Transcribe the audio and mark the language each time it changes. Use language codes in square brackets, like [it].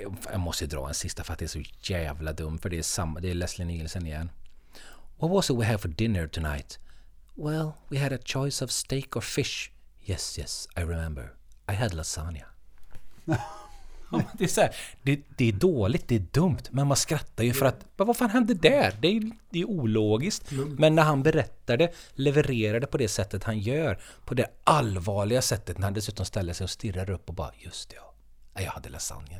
[sv] Jag måste ju dra en sista för att det är så jävla dum, för det är Leslie Nielsen igen. [en] "What was it we have for dinner tonight?" "Well, we had a choice of steak or fish." "Yes, yes, I remember. I had lasagna." [sv] Ja, det är så här, det är dåligt, det är dumt. Men man skrattar ju för att, vad fan hände där? Det är ologiskt. Men när han berättade, levererade på det sättet han gör, på det allvarliga sättet, när han dessutom ställer sig och stirrar upp och bara, "Just det, ja, jag hade lasagna."